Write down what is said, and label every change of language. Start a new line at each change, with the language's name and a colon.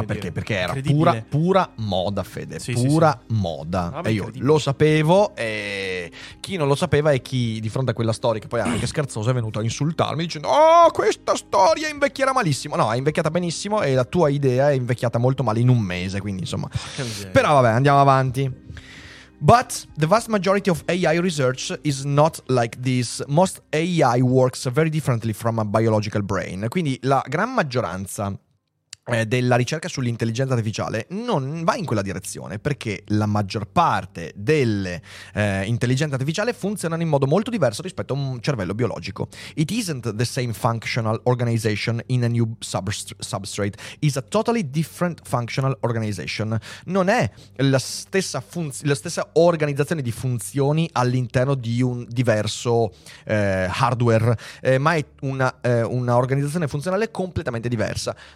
Italian: ma perché? Perché era pura moda, Fede. Sì, pura moda. E io lo sapevo, e chi non lo sapeva è chi, di fronte a quella storia, che poi era anche scherzosa, è venuto a insultarmi dicendo: oh, questa storia invecchierà malissimo. No, è invecchiata benissimo e la tua idea è invecchiata molto male in un mese, quindi insomma. Però vabbè, andiamo avanti.
English: But the vast majority of AI research is not like this. Most AI works very differently from a biological brain.
Italian: Quindi la gran maggioranza della ricerca sull'intelligenza artificiale non va in quella direzione, perché la maggior parte delle intelligenze artificiali funzionano in modo molto diverso rispetto a un cervello biologico.
English: It isn't the same functional organization in a new substrate. It's a totally different functional organization.
Italian: Non è la stessa organizzazione di funzioni all'interno di un diverso hardware, ma è una organizzazione funzionale completamente diversa.